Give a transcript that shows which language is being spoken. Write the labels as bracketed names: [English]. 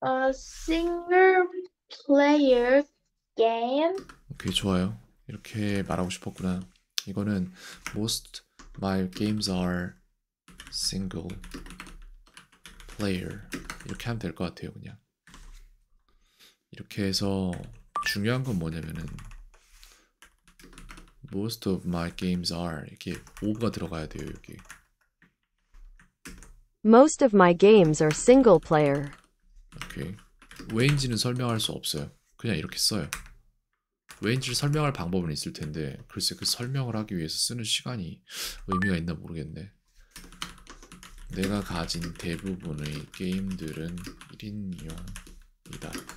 [English] single player game. [Korean] 그게 좋아요. 이렇게 말하고 싶었구나. 이거는 [English] most my games are single player [Korean] 이렇게 하면 될것 같아요. 그냥 이렇게 해서 중요한 건 뭐냐면은 [English] most of my games are [Korean] 이렇게 of가 들어가야 돼요. 여기 [English] Most of my games are single player. [Korean] 이렇게 왜인지는 설명할 수 없어요. 그냥 이렇게 써요. 왜인지를 설명할 방법은 있을 텐데 글쎄 그 설명을 하기 위해서 쓰는 시간이 의미가 있나 모르겠네. 내가 가진 대부분의 게임들은 1인용이다.